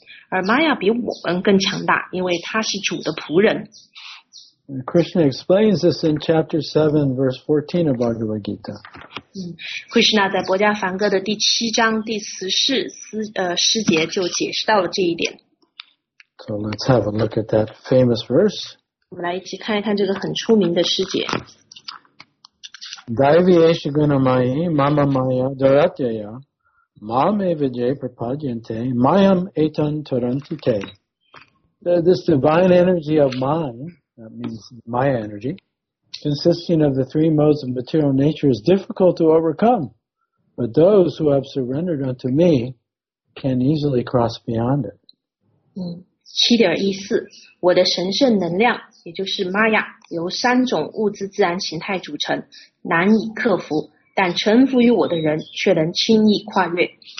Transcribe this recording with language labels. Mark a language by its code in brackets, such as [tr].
[zh] 而 Maya 比我们更强大，因为她是主的仆人。 [en] Krishna explains this in chapter 7, verse 14 of Bhagavad Gita. [zh] Krishna 在《薄伽梵歌》的第七章第十节就解释到了这一点。 [en] So let's have a look at that famous verse. [zh] 我们来一起看一看这个很出名的诗节。 [sa] Daivyesha gunamayi mama maya dharatyaya mame vijay prapajyante mayam etan tarantite. [en] This divine energy of mine, that means maya energy, consisting of the three modes of material nature is difficult to overcome, but those who have surrendered unto me can easily cross beyond it. [zh] 7.14, 我的神圣能量也就是 Maya 由三种物质自然形态组成，难以克服，但臣服于我的人却能轻易跨越。